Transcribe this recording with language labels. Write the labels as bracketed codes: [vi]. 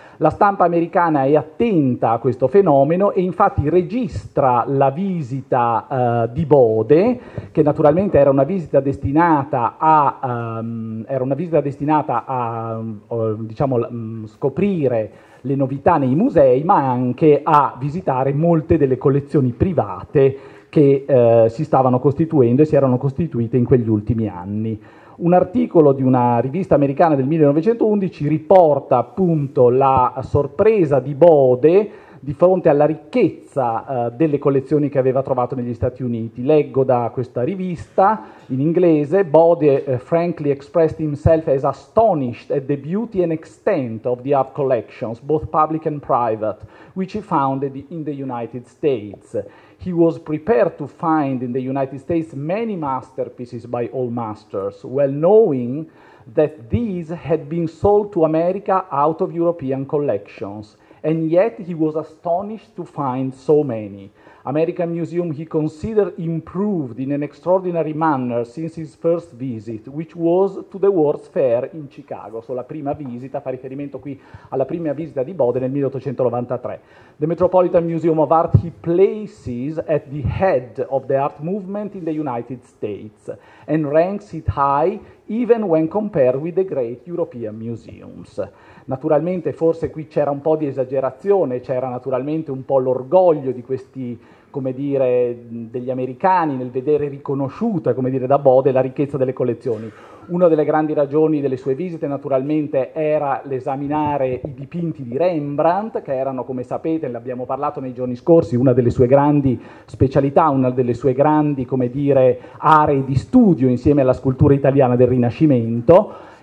[it] La stampa americana è attenta a questo fenomeno e infatti registra la visita di Bode, che naturalmente era una visita destinata a diciamo, scoprire le novità nei musei, ma anche a visitare molte delle collezioni private che si stavano costituendo e si erano costituite in quegli ultimi anni. Un articolo di una rivista americana del 1911 riporta appunto la sorpresa di Bode di fronte alla ricchezza delle collezioni che aveva trovato negli Stati Uniti. Leggo da questa rivista in inglese: [en] Bode frankly expressed himself as astonished at the beauty and extent of the art collections, both public and private, which he founded in the United States. He was prepared to find in the United States many masterpieces by old masters, well knowing that these had been sold to America out of European collections, and yet he was astonished to find so many. American Museum he considered improved in an extraordinary manner since his first visit, which was to the World's Fair in Chicago. [it] So la prima visita, fa riferimento qui alla prima visita di Bode nel 1893. [en] The Metropolitan Museum of Art he places at the head of the art movement in the United States and ranks it high even when compared with the great European museums. [it] Naturalmente, forse qui c'era un po' di esagerazione, c'era naturalmente un po' l'orgoglio di questi, come dire, degli americani nel vedere riconosciuta, come dire, da Bode la ricchezza delle collezioni. Una delle grandi ragioni delle sue visite, naturalmente, era l'esaminare i dipinti di Rembrandt, che erano, come sapete, l'abbiamo parlato nei giorni scorsi, una delle sue grandi specialità, una delle sue grandi, come dire, aree di studio insieme alla scultura italiana del Rinascimento.